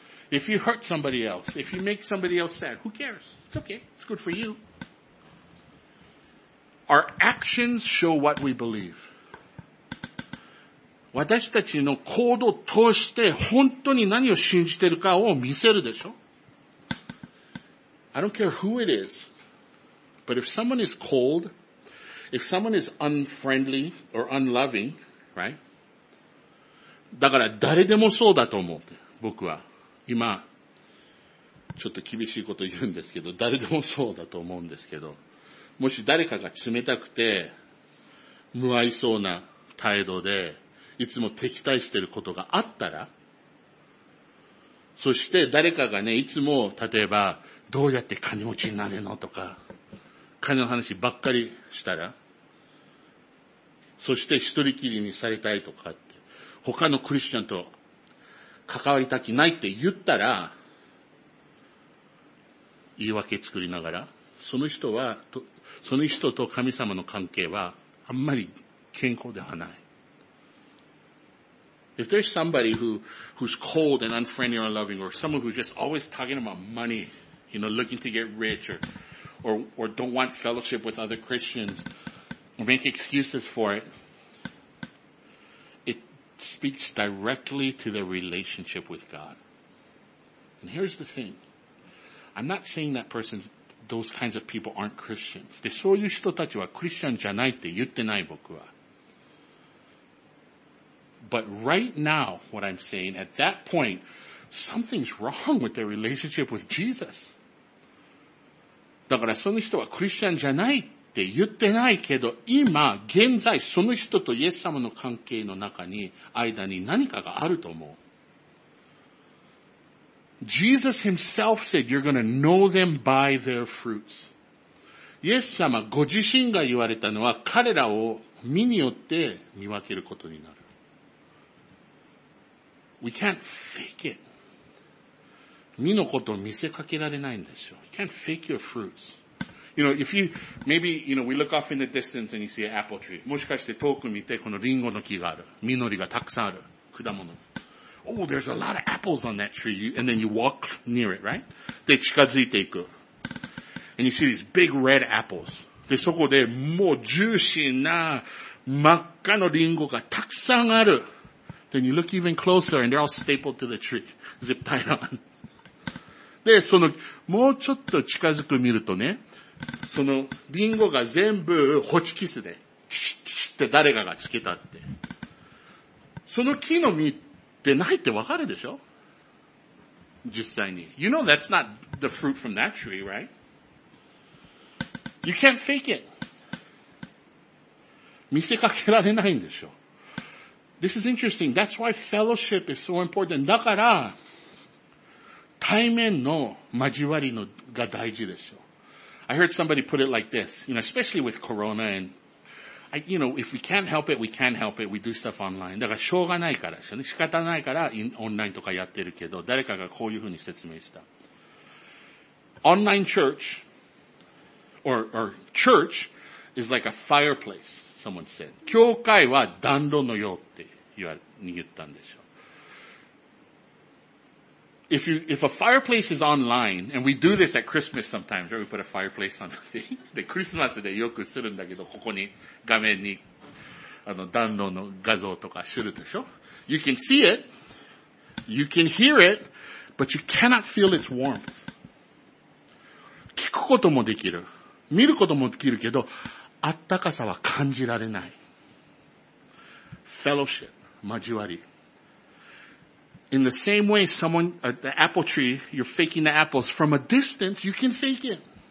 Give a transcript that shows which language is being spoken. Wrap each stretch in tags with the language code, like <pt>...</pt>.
<en>If you hurt somebody else, if you make somebody else sad, who cares? It's okay. It's good for you. Our actions show what we believe.</en> <ja>私たちの行動を通して本当に何を信じているかを見せるでしょ?</ja> <en>I don't care who it is, but if someone is cold, if someone is unfriendly or unloving, right?</en> <ja>だから誰でもそうだと思う。僕は今ちょっと厳しいこと言うんですけど、誰でもそうだと思うんですけど、もし誰かが冷たくて無愛想な態度でいつも敵対していることがあったら、そして誰かがね、いつも例えばどうやって金持ちになれるのとか金の話ばっかりしたら、そして一人きりにされたいとかって、他のクリスチャンと関わりたくないって言ったら、言い訳作りながらその人は、その人と神様の関係はあんまり健康ではない。</ja> <en>If there's somebody who's cold and unfriendly or unloving, or someone who's just always talking about money, you know, looking to get rich, or don't want fellowship with other Christians, or make excuses for it, it speaks directly to their relationship with God. And here's the thing. I'm not saying that person's those kinds of people aren't Christians.</en> <ja>で、そういう人たちはクリスチャンじゃないって言ってない、僕は。</ja> <en>But right now, what I'm saying, at that point, something's wrong with their relationship with Jesus.</en> <ja>だから、その人はクリスチャンじゃないって言ってないけど、今、現在、その人とイエス様の関係の中に、間に何かがあると思う。</ja> <en>Jesus himself said, you're gonna know them by their fruits.</en> <ja>イエス様ご自身が言われたのは、彼らを実によって見分けることになる。</ja> <en>We can't fake it.</en> <ja>実のことを見せかけられないんですよ。</ja> <en>You can't fake your fruits. You know, if you, maybe, you know, we look off in the distance and you see an apple tree.</en> <ja>もしかして遠く見てこのリンゴの木がある。実りがたくさんある。果物。</ja> <en>Oh, there's a lot of apples on that tree. And then you walk near it, right?</en> <ja>で、近づいていく。</ja> <en>And you see these big red apples.</en> <ja>で、そこでもうジューシーな真っ赤のリンゴがたくさんある。</ja> <en>Then you look even closer and they're all stapled to the tree. Zip tied on.</en> <ja>で、その、もうちょっと近づく見るとね、その、リンゴが全部、ホチキスで、チッチッチッって誰かがつけたって。その木の実ってないってわかるでしょ? 実際に。</ja> <en>You know that's not the fruit from that tree, right? You can't fake it.</en> <ja>見せかけられないんでしょ。</ja> <en>This is interesting. That's why fellowship is so important.</en> <ja>だから、対面の交わりのが大事でしょ。</ja> <en>I heard somebody put it like this, you know, especially with corona and, I, you know, if we can't help it, we can't help it, we do stuff online.</en> <ja>だからしょうがないからですよね。仕方ないからオンラインとかやってるけど、誰かがこういうふうに説明した。</ja> <en>Online church, or church is like a fireplace, someone said.</en> <ja>教会は暖炉のようって言ったんでしょ。</ja> <en>If a fireplace is online, and we do this at Christmas sometimes, right? We put a fireplace on the thing.</en> <ja>で、クリスマスでよくするんだけど、ここに画面に、暖炉の画像とかするでしょ?</ja> <en>You can see it, you can hear it, but you cannot feel its warmth.</en> <ja>聞くこともできる。見ることもできるけど、あったかさは感じられない。 Fellowship, 交わり。</ja> <en>In the same way someone, the apple tree, you're faking the apples from a distance, you can fake it.</en>